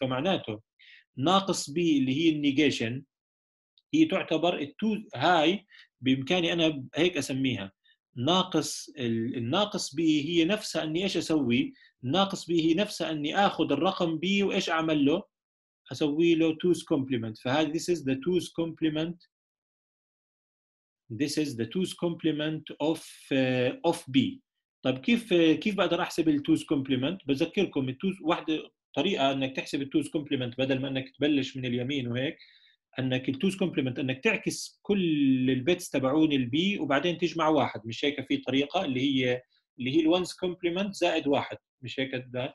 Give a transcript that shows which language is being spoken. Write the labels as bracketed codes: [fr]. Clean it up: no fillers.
[ar] فمعناته ناقص بي اللي هي النيجيشن هي تعتبر التو، هاي بامكاني انا هيك اسميها ناقص، الناقص بي هي نفسها اني ايش اسوي؟ ناقص بي هي نفسها اني اخذ الرقم بي وايش اعمل له؟ اسوي له توس كومبليمنت. فهذا [en] this is the two's complement, this is the two's complement of B. [ar] طيب كيف بقدر احسب التوز كومبليمنت؟ بذكركم التوز، واحدة طريقه انك تحسب التوز كومبليمنت بدل ما انك تبلش من اليمين وهيك، انك التوز كومبليمنت انك تعكس كل البيتس تبعون البي وبعدين تجمع واحد، مش هيك؟ في طريقه اللي هي الونز كومبليمنت زائد واحد، مش هيك؟